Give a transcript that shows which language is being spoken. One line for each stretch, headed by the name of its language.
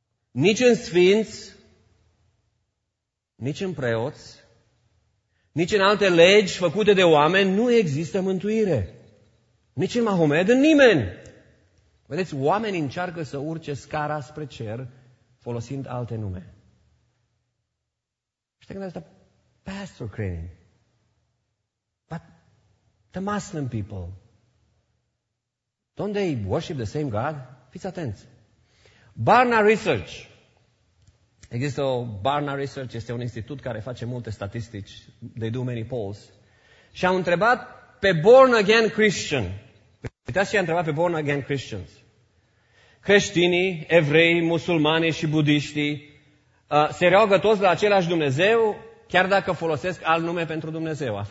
Romanian: Nici în sfinți, nici în preoți, nici în alte legi făcute de oameni, nu există mântuire. Nici în Mahomed, în nimeni. Vedeți, oamenii încearcă să urce scara spre cer folosind alte nume. Și te gândesc,
English: Pastor Crane, but the Muslim people, don't they worship the same God?
Romanian: Fiți atenți. Barna Research. Există o Barna Research, este un institut care face multe statistici,
English: they do many polls,
Romanian: și au întrebat pe born again Christian. Uitați ce i-a întrebat pe born again Christians. Creștinii, evrei, musulmani și budiștii se roagă toți la același Dumnezeu, chiar dacă folosesc alt nume pentru Dumnezeu.